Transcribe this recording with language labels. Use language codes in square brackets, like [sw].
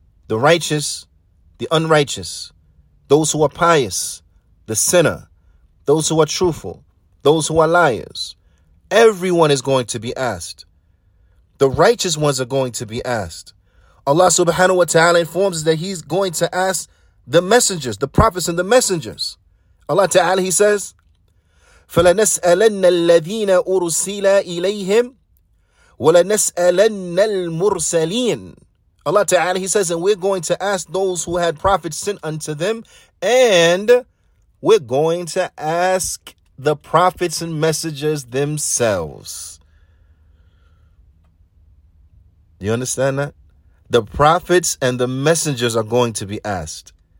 [en] The righteous, the unrighteous, those who are pious, the sinner, those who are truthful, those who are liars. Everyone is going to be asked. The righteous ones are going to be asked. Allah subhanahu wa ta'ala informs us that he's going to ask the messengers, the prophets and the messengers. Allah ta'ala, he says, [ar] فَلَنَسْأَلَنَّ الَّذِينَ أُرُسِيلَ إِلَيْهِمْ وَلَنَسْأَلَنَّ الْمُرْسَلِينَ. [en] Allah ta'ala, he says, and we're going to ask those who had prophets sent unto them, and we're going to ask the prophets and messengers themselves. You understand that? The prophets and the messengers are going to be asked.